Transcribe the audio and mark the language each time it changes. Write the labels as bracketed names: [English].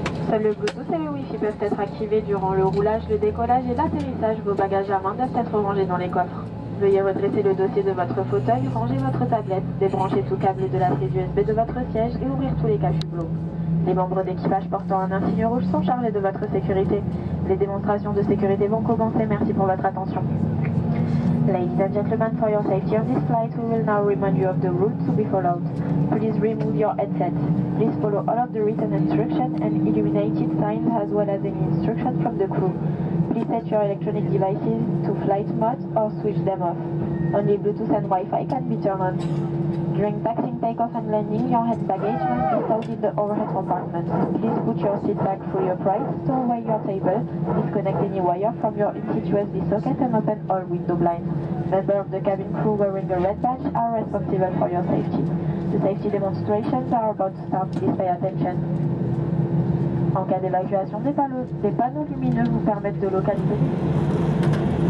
[French] Seul le Bluetooth et le Wi-Fi peuvent être activés durant le roulage, le décollage et l'atterrissage. Vos bagages à main doivent être rangés dans les coffres. Veuillez redresser le dossier de votre fauteuil, ranger votre tablette, débrancher tout câble de la prise USB de votre siège et ouvrir tous les cache-hublots. Les membres d'équipage portant un insigne rouge sont chargés de votre sécurité. Les démonstrations de sécurité vont commencer. Merci pour votre attention. [English] Ladies and gentlemen, for your safety on this flight, we will now remind you of the route to be followed. Please remove your headset. Please follow all of the written instructions and illuminated signs as well as any instructions from the crew. Please set your electronic devices to flight mode or switch them off. Only Bluetooth and Wi-Fi can be turned on. During passing takeoff and landing, your hand baggage must be stored in the overhead compartment. Please put your seat back fully upright, stow away your table, disconnect any wire from your in-situ USB socket and open all window blinds. Members of the cabin crew wearing a red badge are responsible for your safety. The safety demonstrations are about to start. Please pay attention. [French] En cas d'évacuation, des panneaux lumineux vous permettent de localiser.